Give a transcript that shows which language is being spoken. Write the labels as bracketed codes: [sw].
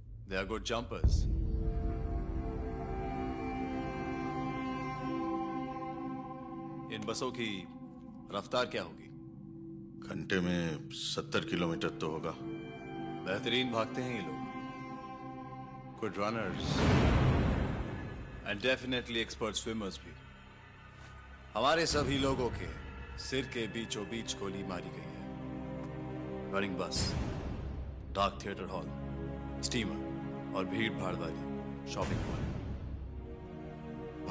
[en] They are good jumpers. [hi] इन बसों की रफ्तार क्या होगी? घंटे में 70 kilometers तो होगा. बेहतरीन भागते हैं ये लोग. [en] Good runners. And definitely expert swimmers भी. [hi] हमारे सभी लोगों के सिर के बीचों बीच गोली मारी गई है. [en] running bus, dark theatre hall, steamer [hi] और भीड़ भाड़ वाली [en] Shopping mall.